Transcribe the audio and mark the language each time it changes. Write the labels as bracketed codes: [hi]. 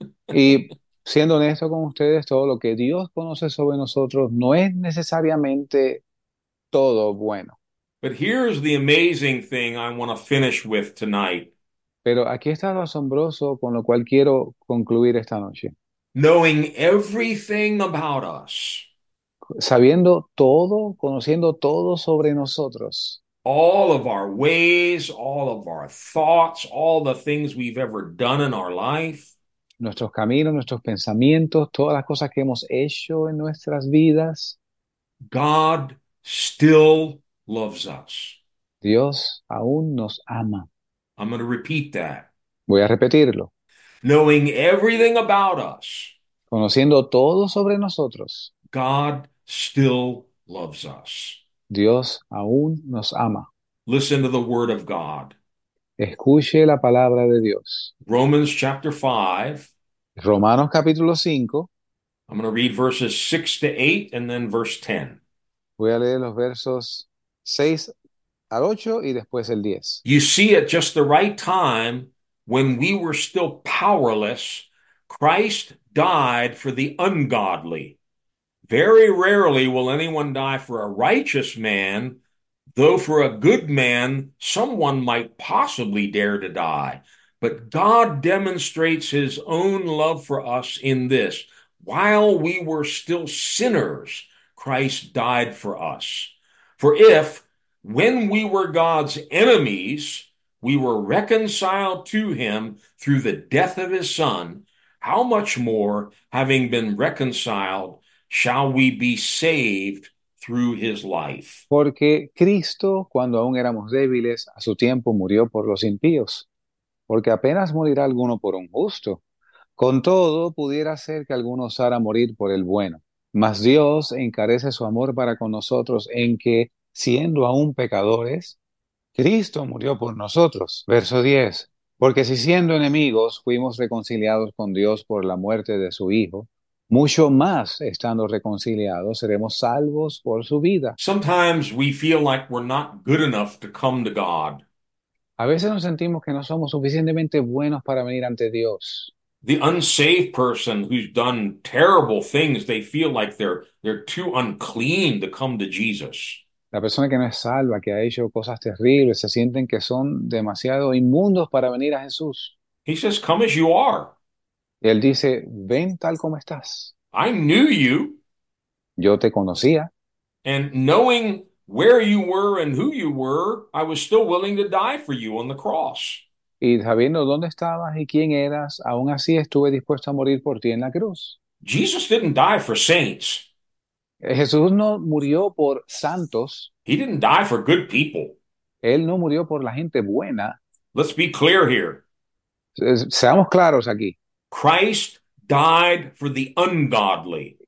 [es] Y siendo honesto con ustedes, todo lo que Dios conoce sobre nosotros no es necesariamente todo bueno. [en] But here's the amazing thing I want to finish with tonight. [es] Pero aquí está lo asombroso con lo cual quiero concluir esta noche. [en] Knowing everything about us, [es] Sabiendo todo, conociendo todo sobre nosotros. [en] all of our ways, all of our thoughts, all the things we've ever done in our life, [es] Nuestros caminos, nuestros pensamientos, todas las cosas que hemos hecho en nuestras vidas. [en] God still loves us. [es] Dios aún nos ama. [en] I'm going to repeat that. [es] Voy a repetirlo. [en] Knowing everything about us, [es] Conociendo todo sobre nosotros, [en] God still loves us. [es] Dios aún nos ama. [en] Listen to the word of God. [es] Escuche la palabra de Dios. [en] Romans chapter 5. [es] Romanos capítulo 5. [en] I'm going to read verses 6 to 8 and then verse 10. [es] Voy a leer los versos 6 al 8 y después el 10. [en] You see, at just the right time, when we were still powerless, Christ died for the ungodly. Very rarely will anyone die for a righteous man, though for a good man, someone might possibly dare to die. But God demonstrates his own love for us in this: while we were still sinners, Christ died for us. For if, when we were God's enemies, we were reconciled to him through the death of his son, how much more, having been reconciled, shall we be saved through his life? [es] Porque Cristo, cuando aún éramos débiles, a su tiempo murió por los impíos. Porque apenas morirá alguno por un justo. Con todo, pudiera ser que alguno osara morir por el bueno. Mas Dios encarece su amor para con nosotros en que, siendo aún pecadores, Cristo murió por nosotros. Verso 10. Porque si siendo enemigos fuimos reconciliados con Dios por la muerte de su Hijo, mucho más estando reconciliados seremos salvos por su vida. [en] Sometimes we feel like we're not good enough to come to God. [es] A veces nos sentimos que no somos suficientemente buenos para venir ante Dios. [en] The unsaved person who's done terrible things, they feel like they're too unclean to come to Jesus. [es] La persona que no es salva, que ha hecho cosas terribles, se sienten que son demasiado inmundos para venir a Jesús. [en] He says, "Come as you are. [es] Y él dice, ven tal como estás. [en] I knew you. [es] Yo te conocía. [en] And knowing where you were and who you were, I was still willing to die for you on the cross." [es] Y sabiendo dónde estabas y quién eras, aún así estuve dispuesto a morir por ti en la cruz. [en] Jesus didn't die for saints. [es] Jesús no murió por santos. [en] He didn't die for good people. [es] Él no murió por la gente buena. [en] Let's be clear here. [es] Seamos claros aquí. [en] Christ died for the ungodly.